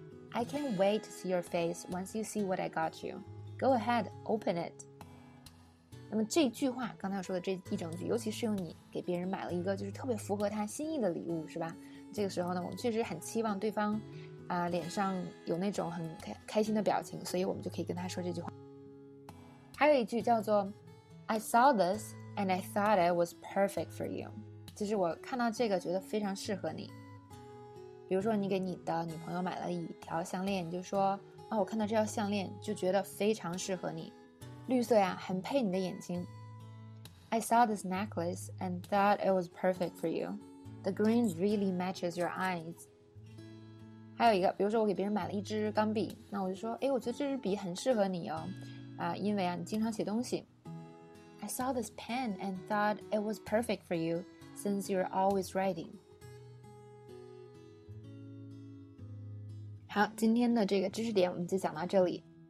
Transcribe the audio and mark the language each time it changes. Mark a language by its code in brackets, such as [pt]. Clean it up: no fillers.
[en] I can't wait to see your face once you see what I got you. Go ahead, open it. [zh] 那么这句话刚才说的这一整句，尤其是用你给别人买了一个就是特别符合他心意的礼物，是吧？这个时候呢，我们确实很期望对方，脸上有那种很开心的表情，所以我们就可以跟他说这句话。还有一句叫做 [en] I saw this and I thought it was perfect for you. [zh] 就是我看到这个觉得非常适合你。比如说你给你的女朋友买了一条项链，你就说啊，我看到这条项链就觉得非常适合你，绿色呀很配你的眼睛。 [en] I saw this necklace and thought it was perfect for you. The green really matches your eyes. [zh] 还有一个，比如说我给别人买了一支钢笔，那我就说哎，我觉得这支笔很适合你哦，啊，因为啊你经常写东西。 [en] I saw this pen and thought it was perfect for you since you're always writing. [zh] 好，今天的这个知识点我们就讲到这里。